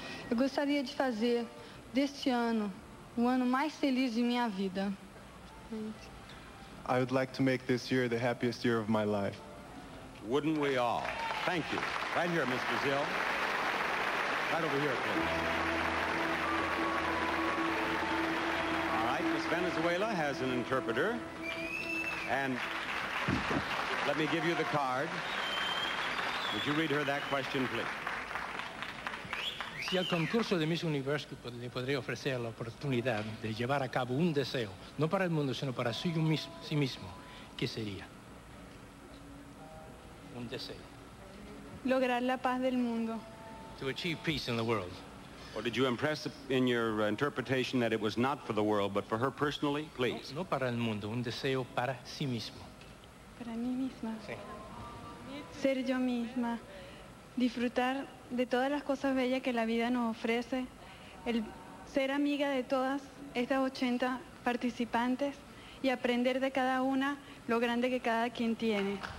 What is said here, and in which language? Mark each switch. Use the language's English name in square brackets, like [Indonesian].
[Portuguese] Eu gostaria de fazer deste ano o ano mais feliz de minha vida. [English] I would like to make this year the happiest year of my life. Wouldn't we all? Thank you. Right here, Miss Brazil. Right over here, please. All right, Miss Venezuela has an interpreter. And let me give you the card. Would you read her that question, please? [Spanish] Si al concurso de Miss Universo le podría ofrecer la oportunidad de llevar a cabo un deseo, no para el mundo, sino para sí mismo, ¿qué sería? Un deseo. Lograr la paz del mundo. [English] To achieve peace in the world. Or did you impress in your interpretation that it was not for the world, but for her personally? Please. [Spanish] No, no para el mundo, un deseo para sí mismo. Para mí misma. Sí. Ser yo misma. Disfrutar de todas las cosas bellas que la vida nos ofrece, el ser amiga de todas estas 80 participantes y aprender de cada una lo grande que cada quien tiene.